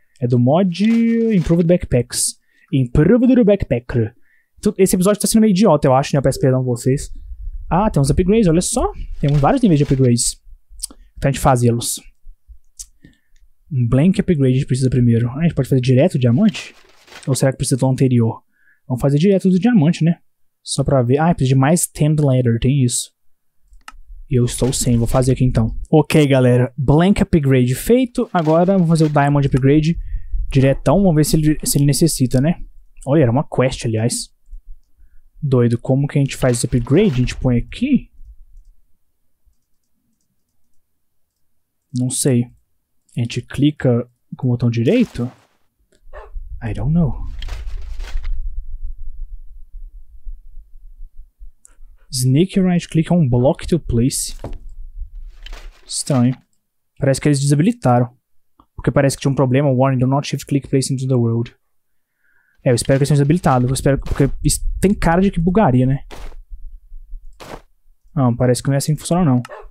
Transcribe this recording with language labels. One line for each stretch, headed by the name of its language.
Portuguese: É do mod Improved Backpacks. Improved Backpacker. Esse episódio tá sendo meio idiota, eu acho, né? Eu peço perdão a vocês. Ah, tem uns upgrades, olha só. Temos vários níveis de upgrades. Então a gente fazê-los. Um blank upgrade a gente precisa primeiro. Ah, a gente pode fazer direto o diamante? Ou será que precisa do anterior? Vamos fazer direto do diamante, né? Só pra ver. Ah, precisa de mais tend ladder, tem isso. E eu estou sem, vou fazer aqui então. Ok, galera. Blank upgrade feito. Agora vamos fazer o diamond upgrade diretão. Vamos ver se ele necessita, né? Olha, era uma quest, aliás. Doido, como que a gente faz esse upgrade? A gente põe aqui? Não sei. A gente clica com o botão direito?
English: I don't know. Sneak right click on block to place.
Portuguese: Estranho. Parece que eles desabilitaram. Porque parece que tinha um problema.
English: Warning, do not shift click place into the world.
Portuguese: É, eu espero que seja desabilitado. Eu espero que, porque isso tem cara de que bugaria, né? Não, parece que não é assim que funciona, não.